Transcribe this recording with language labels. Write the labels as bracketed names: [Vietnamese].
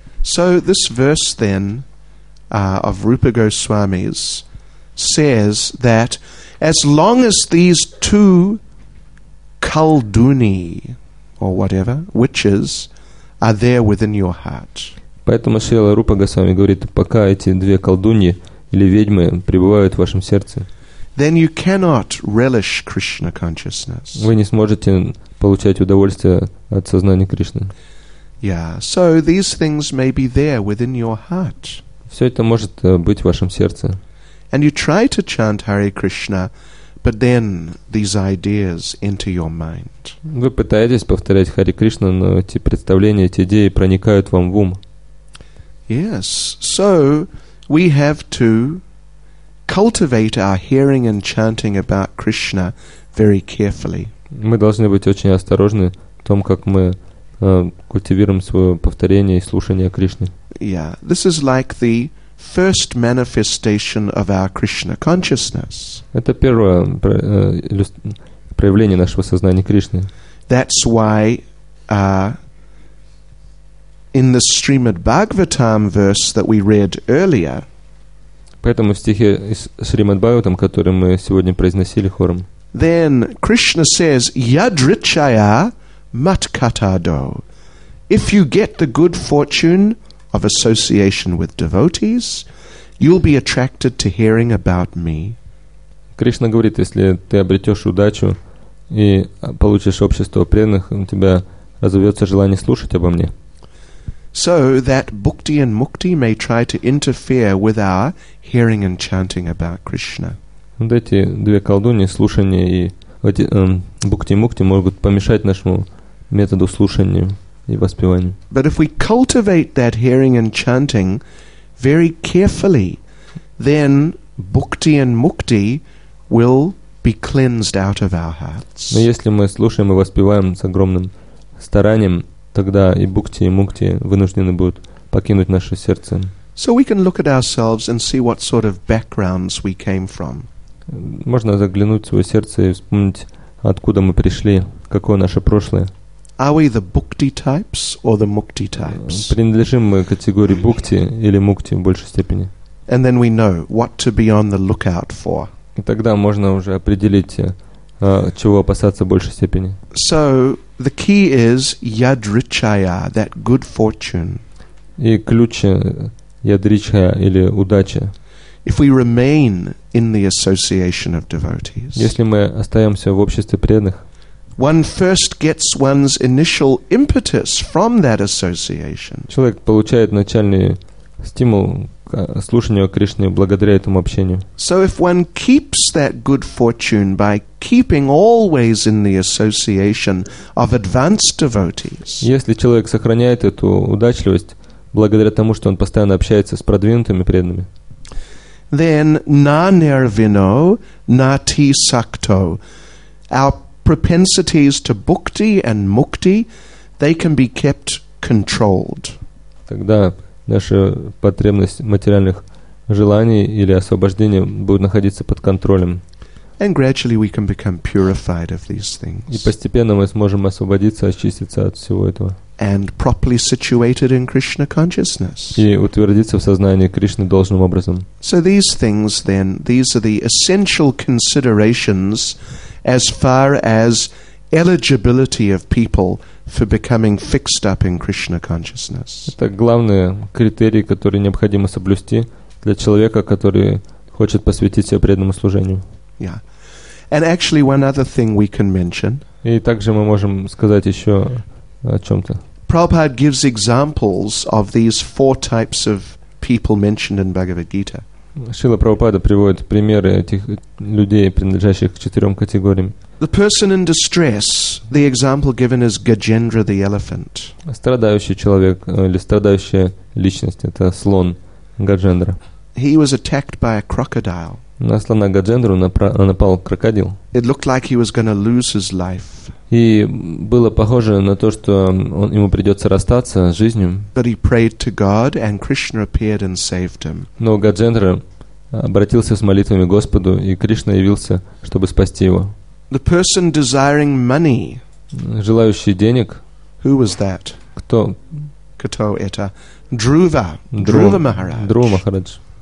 [English] So this verse then of Rupa Goswami's says that as long as these two kalduni or whatever witches are there within your heart. [Russian] Поэтому Шрила Рупа Госвами говорит, пока эти две колдуньи или ведьмы пребывают в вашем сердце, [English] then you cannot relish Krishna consciousness. [Russian] Вы не сможете получать удовольствие от сознания Кришны. [English] Yeah, so these things may be there within your heart. [Russian] Все это может быть в вашем сердце. [English] And you try to chant Hare Krishna, but then these ideas enter your mind. [Russian] Вы пытаетесь повторять Хари Кришна, но эти представления, эти идеи проникают вам в ум. [English] Yes, so we have to cultivate our hearing and chanting about Krishna very carefully. [Russian] Мы должны быть очень осторожны в том, как мы культивируем свое повторение и слушание Кришны. [English] Yeah, this is like the first manifestation of our Krishna consciousness. [Russian] Это первое проявление нашего сознания Кришны. [English] That's why in the Srimad Bhagavatam verse that we read earlier. [Russian] Поэтому в стихе из Srimad Bhagavatam, который мы сегодня произносили хором. [English] Then Krishna says, [Sanskrit] "Yadrichaya matkatado." [English] If you get the good fortune of association with devotees, you'll be attracted to hearing about me. [Russian] Кришна говорит, если ты обретешь удачу и получишь общество преданных, у тебя разовьется желание слушать обо мне. [English] So that bhakti and mukti may try to interfere with our hearing and chanting about Krishna. [Russian] Вот эти две колдуни, слушание и бхакти и мукти, могут помешать нашему методу слушания. [English] But if we cultivate that hearing and chanting very carefully, then bhakti and mukti will be cleansed out of our hearts. [Russian] Но если мы слушаем и воспеваем с огромным старанием, тогда и бхакти, и мукти вынуждены будут покинуть наше сердце. [English] So we can look at ourselves and see what sort of backgrounds we came from. [Russian] Можно заглянуть в свое сердце и вспомнить, откуда мы пришли, какое наше прошлое. [English] Are we the bhakti types or the mukti types? [Russian] Принадлежим мы к категории бхакти или мукти в большей степени? [English] And then we know what to be on the lookout for. [Russian] И тогда можно уже определить, чего опасаться в большей степени. [English] So the key is yadrichaya, that good fortune. [Russian] И ключ ядричая или удача. [English] If we remain in the association of devotees. [Russian] Если мы остаемся в обществе преданных. [English] One first gets one's initial impetus from that association. [Russian] Человек получает начальный стимул к слушанию Кришны благодаря этому общению. [English] So if one keeps that good fortune by keeping always in the association of advanced devotees. [Russian] Если человек сохраняет эту удачливость благодаря тому, что он постоянно общается с продвинутыми преданными. [English] Then [Sanskrit] na nirvino na ti sakto. [English] Our propensities to bhakti and mukti, they can be kept controlled. [Russian] Тогда наша потребность материальных желаний или освобождения будет находиться под контролем. [English] And gradually we can become purified of these things. [Russian] И постепенно мы сможем освободиться, очиститься от всего этого. [English] and properly situated in Krishna consciousness. [Russian] И утвердиться в сознании Кришны должным образом. [English] So these things then, these are the essential considerations as far as eligibility of people for becoming fixed up in Krishna consciousness. [Russian] Это главные критерии, которые необходимо соблюсти для человека, который хочет посвятить себя преданному служению. [English] Yeah. And actually one other thing we can mention. [Russian] И также мы можем сказать еще о чем-то. [English] Prabhupada gives examples of these four types of people mentioned in Bhagavad Gita. [Russian] Шрила Прабхупада приводит примеры этих людей, принадлежащих к четырем категориям. [English] The person in distress, the example given is Gajendra the elephant. [Russian] Страдающий человек или страдающая личность — это слон Гаджендра. [English] He was attacked by a crocodile. [Russian] На слона Гаджендру напал крокодил. [English] It looked like he was going to lose his life. [Russian] И было похоже на то, что ему придется расстаться с жизнью. [English] But he prayed to God, and Krishna appeared and saved him. [Russian] Но Гаджендра обратился с молитвами Господу, и Кришна явился, чтобы спасти его. [English] The person desiring money. [Russian] Желающий денег. [English] Who was that? [Russian] Кто? Кто это? Друва. Друва Махарадж. Друва Махарадж.